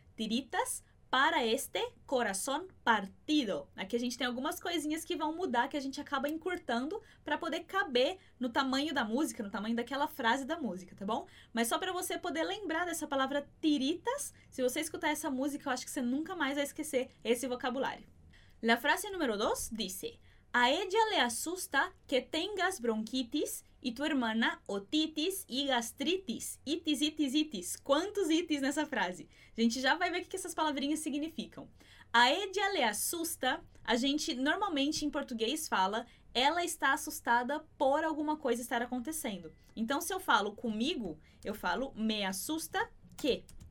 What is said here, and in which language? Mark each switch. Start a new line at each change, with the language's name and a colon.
Spanish: Tiritas para este corazón partido.
Portuguese: Aqui a gente tem algumas coisinhas que vão mudar, que a gente acaba encurtando para poder caber no tamanho da música, no tamanho daquela frase da música, tá bom? Mas só para você poder lembrar dessa palavra tiritas, se você escutar essa música, eu acho que você nunca mais vai esquecer esse vocabulário.
Spanish: La frase número 2 dice: a ella le asusta que tengas bronquitis y tu hermana otitis y gastritis.
Portuguese: Itis, itis, itis. Quantos itis nessa frase? A gente já vai ver o que essas palavrinhas significam.
Spanish: A ella le asusta,
Portuguese: a gente normalmente em português fala, ela está assustada por alguma coisa estar acontecendo. Então, se eu falo comigo, eu falo
Spanish: me assusta que.